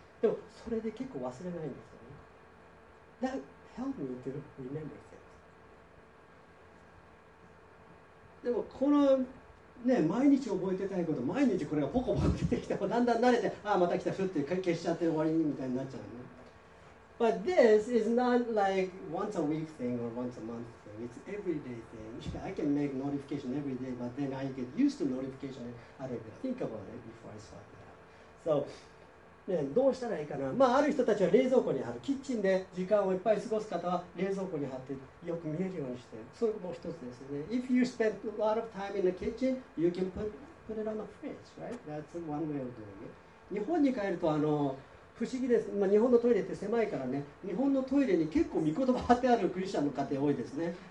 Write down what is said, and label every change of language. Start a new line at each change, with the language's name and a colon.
Japanese: でもそれで結構忘れないんですよね。
English: That help me to remember things.
Japanese: でもこのね、毎日覚えてたいこと、毎日これがポコポコ出てきて、だんだん慣れて、ああまた来た、ふって消しちゃって終わりにみたいになっちゃうね。
English: But this is not like once a week thing or once a month. It's everyday thing. I can make notification every day, but then I get used to notification. I don't even think about it before I start that. So,
Japanese: ね、どうしたらいいかな。まあある人たちは冷蔵庫に貼る。キッチンで時間をいっぱい過ごす方は冷蔵庫に貼ってよく見えるようにして。それも一つですよね。
English: If you spend a lot of time in the kitchen, you can put it on the fridge, right? That's one way of doing it.
Japanese: 日本に帰ると不思議です。まあ、日本のトイレって狭いからね。日本のトイレに結構御言葉貼ってあるクリスチャンの家庭多いですね。